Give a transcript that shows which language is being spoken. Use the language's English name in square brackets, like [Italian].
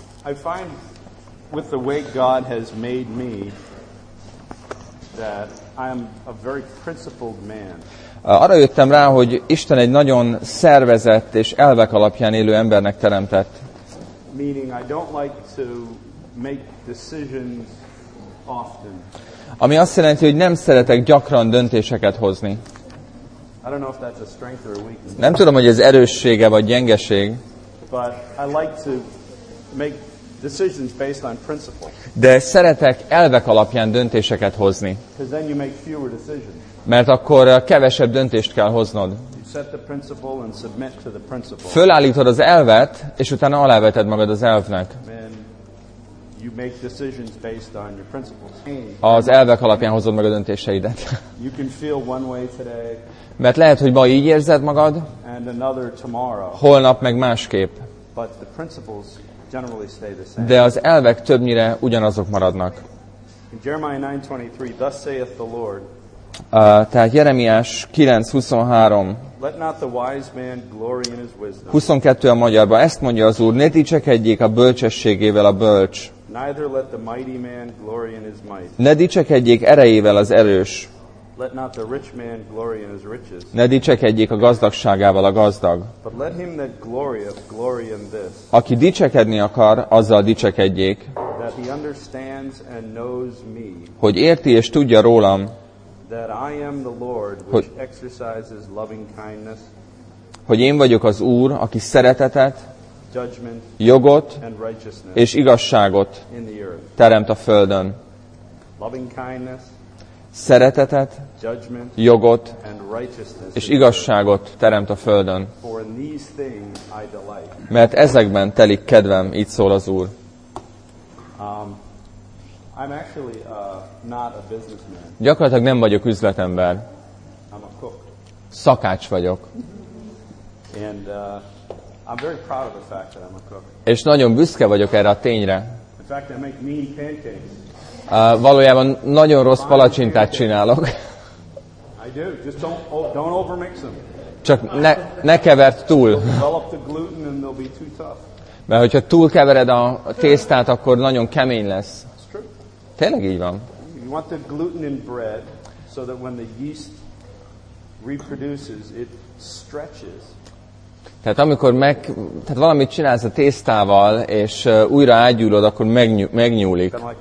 [English] I find with the way God has made me that I am a very principled man. [Hungarian] Arra jöttem rá, hogy Isten egy nagyon szervezett és elvek alapján élő embernek teremtett. [English] Meaning I don't like to make decisions often. [Hungarian] Ami azt jelenti, hogy nem szeretek gyakran döntéseket hozni. [English] I don't know if that's a strength or a weakness. [Hungarian] Nem tudom, hogy ez erőssége vagy gyengeség. [English] But I like to make decisions based on principle. [Hungarian] De szeretek elvek alapján döntéseket hozni. [English] Because then you make fewer decisions. [Hungarian] Mert akkor kevesebb döntést kell hoznod. [English] You set the principle and submit to the principle. [Hungarian] Fölállítod az elvet, és utána aláveted magad az elvnek. [English] You make decisions based on your principles. [Hungarian] Az elvek alapján hozod meg a döntéseidet. [English] You can feel one way today. [Hungarian] Mert lehet, hogy ma így érzed magad. [English] And another tomorrow. [Hungarian] Holnap meg másképp. [English] But the principles generally stay the same. [Hungarian] De az elvek többnyire ugyanazok maradnak. [English] In Jeremiah 9:23, thus saith the Lord. [Hungarian] Tehát Jeremiás 9:23. [English] Let not the wise man glory in his wisdom. [Hungarian] 22 a magyarban. Ezt mondja az Úr, ne dicsekedjék a bölcsességével a bölcs. [English] Neither let the mighty man glory in his might. [Hungarian] Ne dicsekedjék erejével az erős. [English] Let not the rich man glory in his riches. [Hungarian] Ne dicsekedjék a gazdagságával a gazdag. [English] But let him that glorieth glory in this. [Hungarian] Aki dicsekedni akar, azzal dicsekedjék. [English] That he understands and knows me. [Hungarian] Hogy érti és tudja rólam. [English] That I am the Lord, which exercises loving kindness. [Hungarian] Hogy én vagyok az Úr, aki szeretetet, [English] judgment, [Hungarian] jogot [English] and righteousness [Hungarian] és igazságot [English] in the earth. [Hungarian] Teremt a földön. [English] Loving kindness, [Hungarian] szeretetet, [English] judgment, [Hungarian] jogot [English] and righteousness [Hungarian] és igazságot teremt a földön. [English] For in these things I delight. [Hungarian] Mert ezekben telik kedvem, így szól az Úr. [English] I'm actually not a businessman. [Hungarian] Gyakorlatilag nem vagyok üzletember. [English] I'm a cook. [Hungarian] Szakács vagyok. [English] And I'm very proud of the fact that I'm a cook. [Hungarian] És nagyon büszke vagyok erre a tényre. [English] In fact, I make mean pancakes. [Hungarian] Valójában nagyon rossz palacsintát csinálok. [English] I do. Just don't overmix them. [Hungarian] Csak ne keverd túl. [English] Develop the gluten and they'll be too tough. [Hungarian] Mert hogyha túl kevered a tésztát, akkor nagyon kemény lesz. Tényleg így van. [English] You want the gluten in bread so that when the yeast reproduces, it stretches. [Hungarian] Tehát amikor tehát valamit csinálsz a tésztával, és újra ágyúlod, akkor megnyúlik.